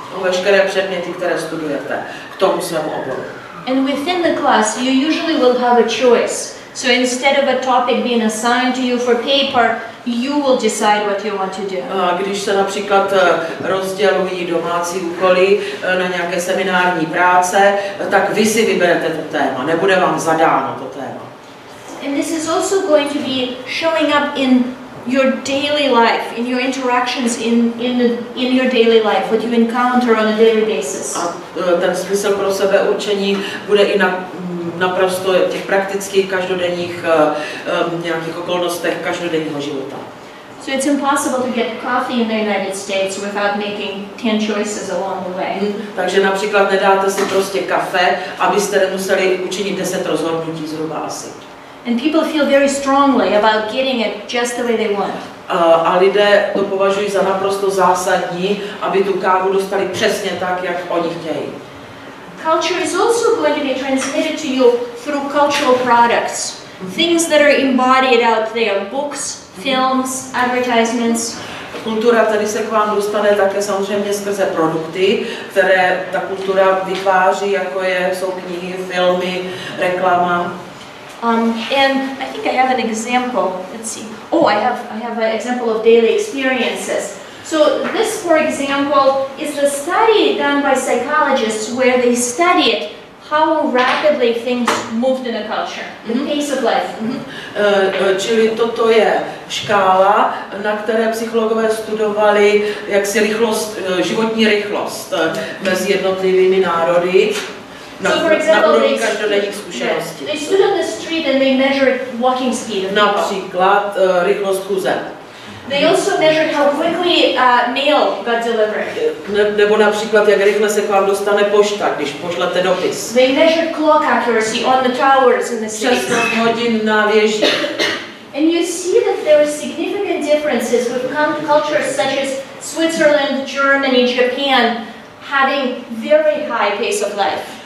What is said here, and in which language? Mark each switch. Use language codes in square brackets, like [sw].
[cs] Veškeré předměty, které studujete k tomu svému oboru. [en] And within the class, you usually will have a choice. So instead of a topic being assigned to you for paper, you will decide what you want to do. [cs] Když se například rozdělují domácí úkoly na nějaké seminární práce, tak vy si vyberete to téma, nebude vám zadáno to téma. [en] And this is also going to be showing up in your daily life, in your interactions in your daily life, what you encounter on a daily basis. [cs] A ten smysl pro sebe určení bude i naprosto těch praktických každodenních nějakých okolnostech každodenního života. [en] So it's impossible to get coffee in the United States without making 10 choices along the way. [cs] Takže například nedáte si prostě kafe, abyste nemuseli učinit 10 rozhodnutí zhruba asi. [en] And people feel very strongly about getting it just the way they want. [cs] A lidé to považují za naprosto zásadní, aby tu kávu dostali přesně tak, jak oni chtějí. [en] Culture is also going to be transmitted to you through cultural products, things that are embodied out there, books, films, advertisements. [cs] Kultura tady se k vám dostane také samozřejmě skrze produkty, které ta kultura vytváří, jako jsou knihy, filmy, reklama. [en] And I think I have an example. Let's see. Oh, I have an example of daily experiences. So this, for example, is the study done by psychologists where they studied how rapidly things moved in a culture, the pace of life. [cs] Čili toto je škála, na které psychologové studovali jaksi rychlost, životní rychlost mezi jednotlivými národy. [en] So for example, they stood on the street and they measured walking speed. [cs] Například rychlost chůze. [en] They also measured how quickly mail got delivered. [cs] Nebo například, jak rychle se k vám dostane pošta, když pošlete dopis. [en] They measured clock accuracy on the towers in the city. [cs] Přesnost hodin na věži. [en] And you see that there are significant differences with cultures such as Switzerland, Germany, Japan having very high pace of life.